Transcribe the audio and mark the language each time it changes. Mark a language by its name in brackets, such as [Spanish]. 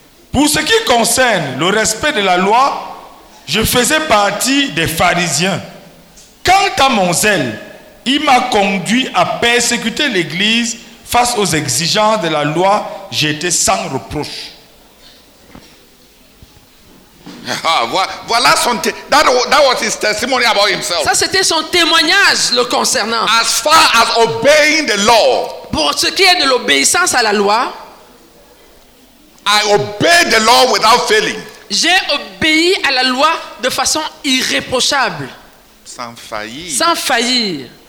[French] Pour ce qui concerne le respect de la loi, je faisais partie des pharisiens. Quant à mon zèle, il m'a conduit à persécuter l'Église face aux exigences de la loi. J'étais sans reproche. [English] Voilà son that was his testimony about himself. [French] Ça c'était son témoignage le concernant. [English] As far as obeying the law. [French] Pour ce qui est de l'obéissance à la loi, [English] I obeyed the law without failing. [French] J'ai obéi à la loi de façon irréprochable. Sans faillir. Sans faillir.